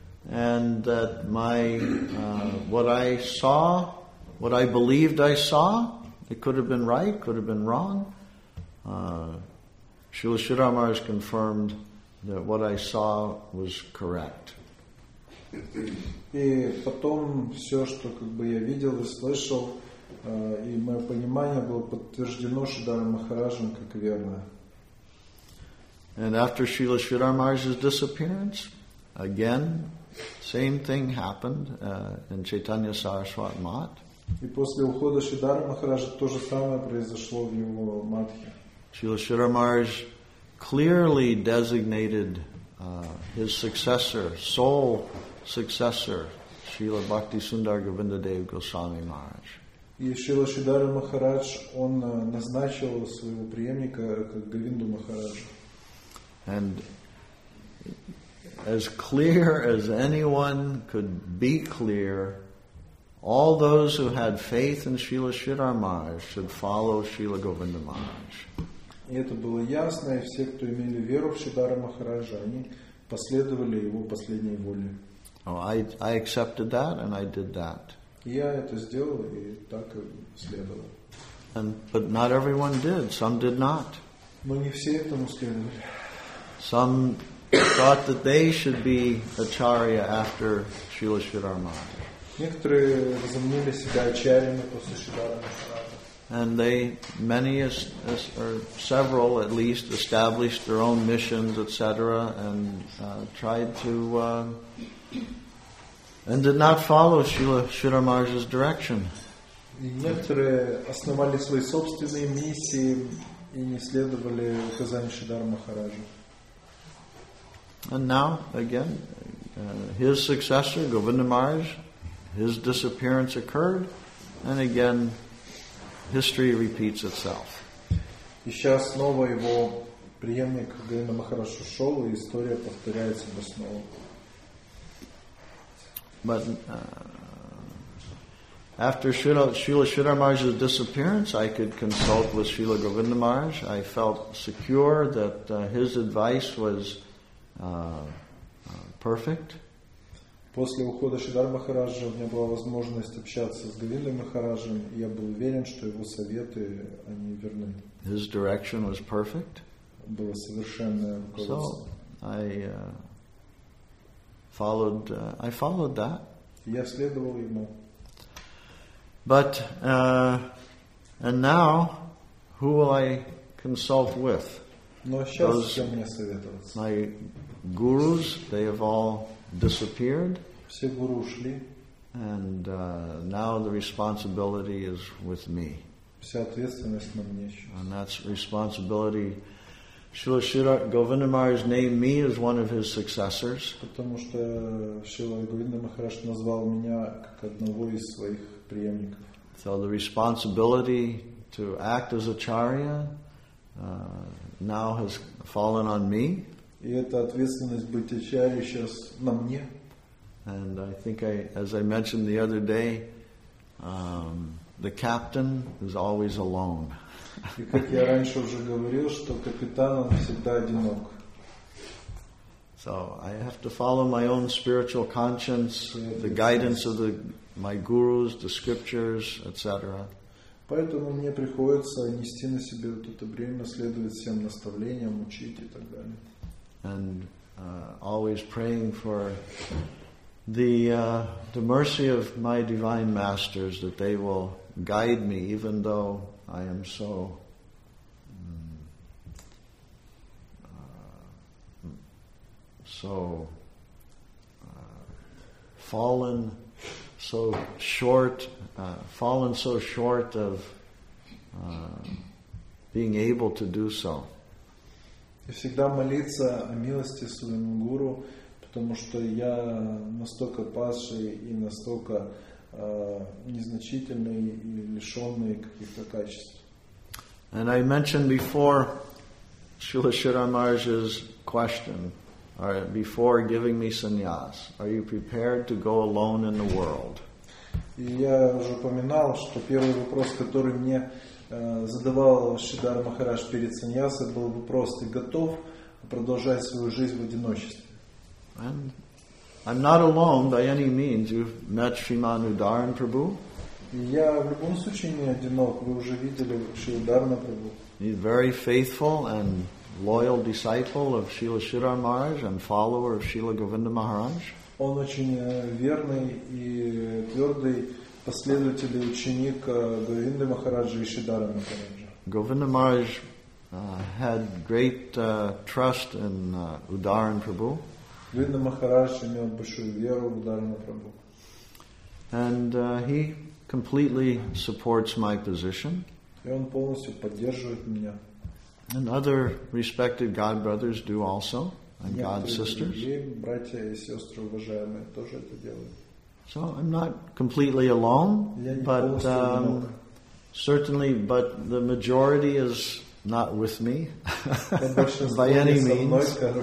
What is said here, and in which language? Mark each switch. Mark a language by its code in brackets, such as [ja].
[en] And that what I saw, what I believed I saw, it could have been right, could have been wrong. Srila Shridhar Maharaj confirmed that what I saw was correct. [ru] И потом все, что как бы я видел и слышал, и мое понимание было подтверждено Шридхаром Махараджем как верное. [en] And after Srila Shridhar Maharaj's disappearance, again, same thing happened in Chaitanya Saraswat Mat. [ru] И после ухода Шридхара Махараджа то же самое произошло в его матхе. [en] Srila Shridhar Maharaj clearly designated his successor, sole successor, Srila Bhakti Sundar Govindadev Goswami Maharaj. [ru] И Шрила Шридхара Махарадж, он назначил своего преемника как Говинду Махараджа. [en] And as clear as anyone could be clear, All those who had faith in Srila Sridhar Maharaj should follow Srila Govinda Maharaj. [ru] Это было ясно, и все, кто имели веру в Шридхара Махараджа, они последовали его последней воле. [en] I accepted that and I did that. [ru] Я это сделал и так следовал. [en] But not everyone did. Some did not. [ru] Но не все этому следовали. [en] Some thought that they should be acharya after Srila Sridhar Maharaj. [ru] Некоторые возомнили себя ачарьями после Шридхара Махараджа. [en] And they, many or several at least, established their own missions, etc., and tried to, and did not follow Srila Sridhar Maharaj's direction. [ru] Некоторые основали свои собственные миссии и не следовали указаниям Шридхара Махараджа. [en] And now, again, his successor, Govinda Maharaj, his disappearance occurred, and again, history repeats itself. [ru] И сейчас снова его преемник Говинда Махарадж ушел, и история повторяется до снова. [en] But after Srila Sridhar Maharaj's disappearance, I could consult with Srila Govinda Maharaj. I felt secure that his advice was perfect. [ru] После ухода Шридхара Махараджа у меня была возможность общаться с Говиндой Махараджем, и я был уверен, что его советы, они верны. [en] His direction was perfect. [ru] Было совершенное руководство. [en] So, I followed that. [ru] Я следовал ему. [en] But, and now, who will I consult with? [ru] Но сейчас с кем мне советоваться? [en] My gurus, they have all disappeared. [ru] Все гуру ушли. [en] And now the responsibility is with me. [ru] Вся ответственность на мне сейчас. [en] And that's responsibility. Srila Govinda Maharaj named me as one of his successors. [ru] Потому что Шрила Говинда Махарадж назвал меня как одного из своих преемников. [en] So the responsibility to act as acharya now has fallen on me. [ru] И эта ответственность быть ачарьей сейчас на мне. [en] And I think I, as I mentioned the other day, the captain is always alone. [ru] И как я раньше уже говорил, что капитан он всегда одинок. [en] So I have to follow my own spiritual conscience, the guidance of my gurus, the scriptures, etc. [ru] Поэтому мне приходится нести на себе вот это бремя, следовать всем наставлениям, учить и так далее. [en] And always praying for the mercy of my divine masters, that they will guide me, even though I am so fallen so short of being able to do so. [ru] И всегда молиться о милости своему гуру. Потому что я настолько падший и настолько незначительный и лишенный каких-то качеств. [en] And I mentioned before Srila Sridhar Maharaj's question, or before giving me sannyas, are you prepared to go alone in the world? [ru] И я уже упоминал, что первый вопрос, который мне задавал Шридхар Махарадж перед саньясой, был вопрос, ты готов продолжать свою жизнь в одиночестве? [en] And I'm not alone by any means. You've met Sriman Udharan Prabhu. [ru] Я в любом случае не одинок. Вы уже видели Шрила Удхарана Прабху. [en] He's very faithful and loyal disciple of Srila Sridhar Maharaj and follower of Srila Govinda Maharaj. [ru] Он очень верный и твердый последователь и ученик Говинды Махараджа и Шридхара Махараджа. [en] Govinda Maharaj had great trust in Udharan Prabhu. [ru] Видно, Махарадж имел большую веру в Ударана Прабху. [en] And he completely supports my position. [ru] И он полностью поддерживает меня. [en] And other respected God brothers do also, and God sisters. [ru] Некоторые братья и сестры уважаемые тоже это делают. [en] So I'm not completely alone, but the majority is not with me by any means.